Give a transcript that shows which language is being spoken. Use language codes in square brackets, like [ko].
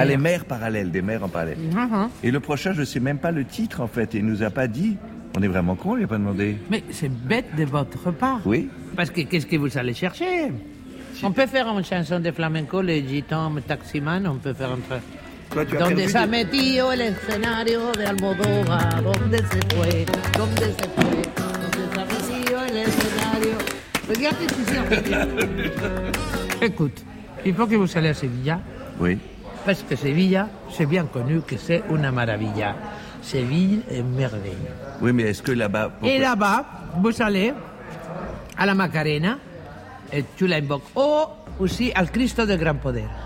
[fr] Ah, les mères parallèles, des mères en parallèle. Et le prochain, je ne sais même pas le titre, en fait. Il ne nous a pas dit. On est vraiment cons, il n'a pas demandé. Mais c'est bête de votre part. Oui. Parce que qu'est-ce que vous allez chercher? On peut faire une chanson de flamenco, les gitans, le taximan, on peut faire un truc. Toi, tu as [es] donde se ha metido el escenario de Almodóvar, donde se fue, donde se fue, donde se ha metido el escenario. [fr] Regarde, tu sais, écoute, il faut que vous allez à Sevilla. Oui. Parce que Sevilla, c'est bien connu que c'est una maravilla. Sevilla est merveilleux. Oui, mais est-ce que là-bas... Et là-bas, vous allez à la Macarena, et tu la invoques, ou aussi au Cristo de Gran Poder.